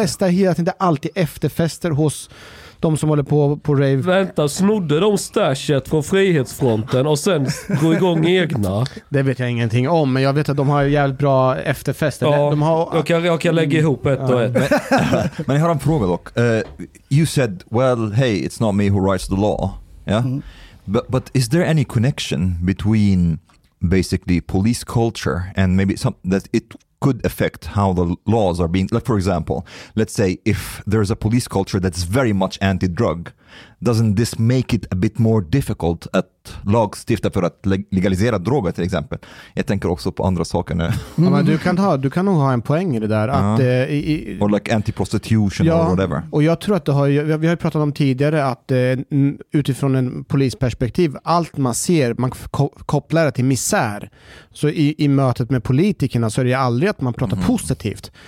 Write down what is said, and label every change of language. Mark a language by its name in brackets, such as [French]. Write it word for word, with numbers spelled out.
[Swedish] festar hela tiden, alltid efterfester hos de som håller på på rave. Vänta, snodde de stashet från Frihetsfronten och sen går igång egna? Det vet jag ingenting om, men jag vet att de har jävligt bra efterfester. Ja, de har... jag, kan, jag kan lägga ihop ett ja. och ett. Men jag har en fråga dock. [English] Uh, you said, well, hey, it's not me who writes the law. Yeah? Mm. But, but is there any connection between basically police culture and maybe something that it could affect how the laws are being, like for example, let's say if there's a police culture that's very much anti-drug, doesn't this make it a bit more difficult [Swedish] att lagstifta för att legalisera droger till exempel? Jag tänker också på andra saker nu. Mm. Ja, men du kan ha, du kan nog ha en poäng i det där. Att, [English] uh-huh. eh, i, or like anti-prostitution [Swedish] ja, [English] or whatever. [Swedish] Och jag tror att det har, vi har ju pratat om tidigare att eh, utifrån en polisperspektiv, allt man ser, man ko- kopplar det till misär. Så i, i mötet med politikerna så är det aldrig att man pratar mm. positivt.